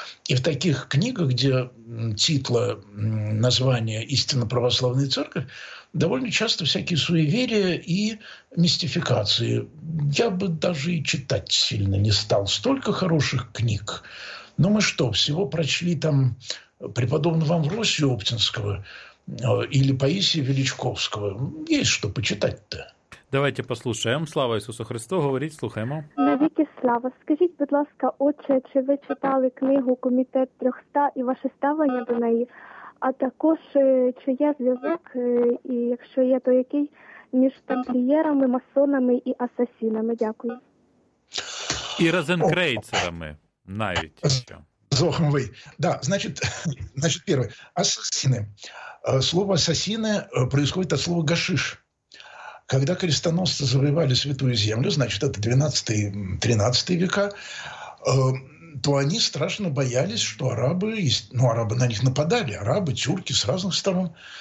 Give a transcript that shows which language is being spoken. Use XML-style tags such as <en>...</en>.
<ru>И в таких книгах, где титла, название «Истинно православная церковь», довольно часто всякие суеверия и мистификации. Я бы даже и читать сильно не стал. Столько хороших книг. Но мы что, всего прочли там преподобного Амвросия Оптинского или Паисия Величковского. Есть что почитать-то. Давайте послушаем.</ru> <uk>Слава Ісусу Христу, говорить, слухаємо. Навіки слава. Скажіть, будь ласка, отче, чи ви читали книгу «Комітет 300» і ваше ставлення до неї? А також, чи є зв'язок, і якщо є, то який, між тамплієрами, масонами і асасінами? Дякую. І розенкрейцерами навіть ще.</uk> <ru>Зохом вы. Да, значит, первое. Ассасины. Слово «ассасины» происходит от слова «гашиш». Когда крестоносцы завоевали Святую Землю, значит, это 12-13 века, то они страшно боялись, что арабы, ну, арабы на них нападали, арабы, тюрки с разных сторон.</ru>